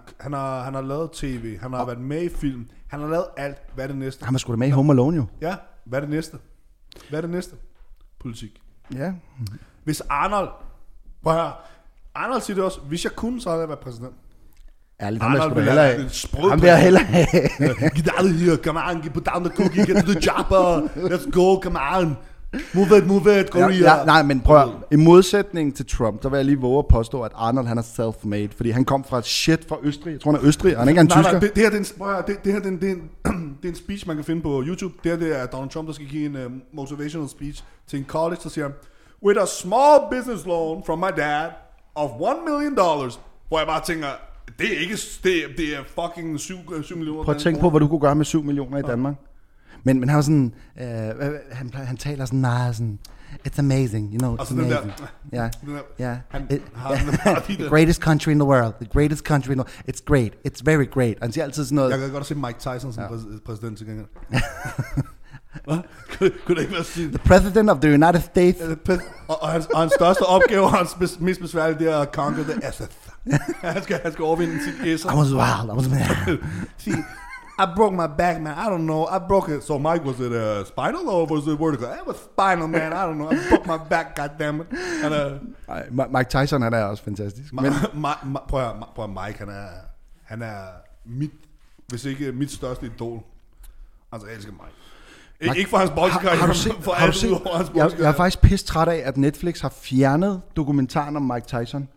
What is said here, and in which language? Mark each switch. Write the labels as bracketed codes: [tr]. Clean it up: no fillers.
[da] Han har lavet TV. Han har været med i film. Han har lavet alt. Hvad er det næste? Han var sgu da med i Home Alone, jo. Ja, hvad er det næste? Politik. Ja. Hvis Arnold... Prøv her. Arnold siger det også. Hvis jeg kunne, så havde jeg været præsident. Ærligt, han vil jeg sgu da heller have. [en] Get out of here, come on, get down the cookie, get to the chopper, let's go, come on. Move it, go here. [da] Nej, men prøv at, i modsætning til Trump, så vil jeg lige våge at påstå, at Arnold, han er self-made, fordi han kom fra shit fra Østrig. Jeg tror, han er Østrig, og han er ikke engang tysker. Nej, det her er en speech, man kan finde på YouTube. Det er Donald Trump, der skal give en [en] motivational speech [da] til en college, der siger, [en] with a small business loan from my dad of $1 million, [da] hvor jeg bare tænker, det er ikke det er fucking 7 millioner. Prøv at tænke på, hvad du kunne gøre med 7 millioner i Danmark. Men han var sådan, han taler sådan, nej, sådan, [en] it's amazing, you know, it's [da] altså [en] amazing. [da] Den der, [en] the greatest country in the world, the greatest country in the world, it's great, it's very great. [da] Han siger altid sådan noget. Jeg kan godt se Mike Tyson som præsident til gengæld. Kunne det ikke være sådan? [en] The president of the United States. [da] Ja, og hans største opgave, hans mest besværlige, det er at [en] conquer the SF. [da] han skal overvinde sit gæsser. [en] I was wild, I was mad. See, I broke my back, man. I don't know. I broke it. So Mike, was it a spinal or was it vertical? It was spinal, man. I don't know. I broke my back, goddammit. [da] Mike Tyson, han er også fantastisk. Prøv at høre, Mike, han er mit, hvis ikke mit største idol. Altså, jeg elsker Mike. Ikke for hans boksekarriere. Jeg er faktisk pisse træt af, at Netflix har fjernet dokumentaren om Mike Tyson.